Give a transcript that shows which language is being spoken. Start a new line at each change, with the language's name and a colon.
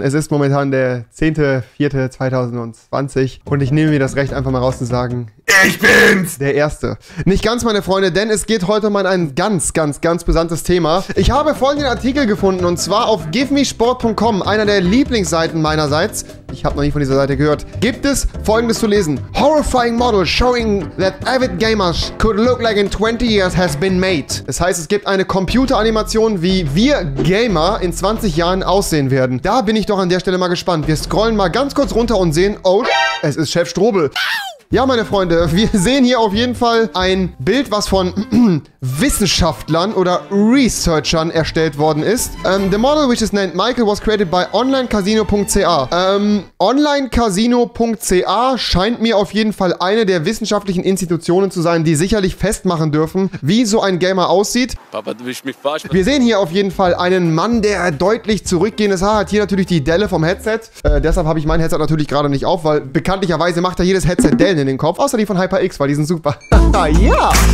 German: Es ist momentan der 10.04.2020 und ich nehme mir das Recht einfach mal raus zu sagen... Ich bin's! Der Erste. Nicht ganz, meine Freunde, denn es geht heute mal ein ganz, ganz, ganz brisantes Thema. Ich habe folgenden Artikel gefunden und zwar auf givemesport.com, einer der Lieblingsseiten meinerseits. Ich habe noch nie von dieser Seite gehört. Gibt es folgendes zu lesen.
English: Horrifying model showing that avid gamers could look like in 20 years has been made.
German: Das heißt, es gibt eine Computeranimation, wie wir Gamer in 20 Jahren aussehen werden. Da bin ich doch an der Stelle mal gespannt. Wir scrollen mal ganz kurz runter und sehen, oh, es ist Chef Strobel. Ja, meine Freunde, wir sehen hier auf jeden Fall ein Bild, was von Wissenschaftlern oder Researchern erstellt worden ist.
English: The model, which is named Michael, was created by onlinecasino.ca.
German: Onlinecasino.ca scheint mir auf jeden Fall eine der wissenschaftlichen Institutionen zu sein, die sicherlich festmachen dürfen, wie so ein Gamer aussieht. Papa, du willst mich verarschen. Wir sehen hier auf jeden Fall einen Mann, der deutlich zurückgehendes Haar hat. Hier natürlich die Delle vom Headset. Deshalb habe ich mein Headset natürlich gerade nicht auf, weil bekanntlicherweise macht er jedes Headset Delle in den Kopf, außer die von HyperX, weil die sind super. Ja!